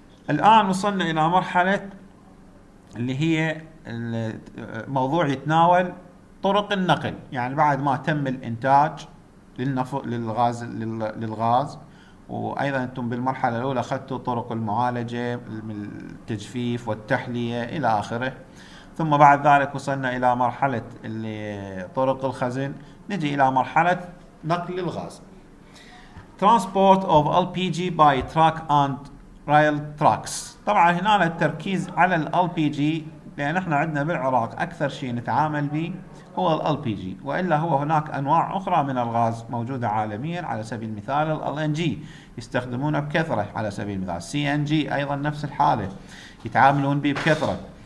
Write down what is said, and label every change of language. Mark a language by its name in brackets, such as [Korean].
[Arabic] الآن وصلنا إلى مرحلة اللي هي الموضوع يتناول طرق النقل، يعني بعد ما تم الإنتاج للغاز، وأيضا أنتم بالمرحلة الأولى أخذتوا طرق المعالجة من التجفيف والتحلية إلى آخره، ثم بعد ذلك وصلنا إلى مرحلة طرق الخزن، نجي إلى مرحلة نقل الغاز. [English] Transport of LPG by truck and rail trucks. [Arabic] طبعا هنا التركيز على الـ LPG، لأن احنا عندنا بالعراق أكثر شيء نتعامل به هو الـ LPG، وإلا هو هناك أنواع أخرى من الغاز موجودة عالميا، على سبيل المثال الـ LNG يستخدمونه بكثرة، على سبيل المثال CNG أيضا نفس الحالة يتعاملون به بكثرة.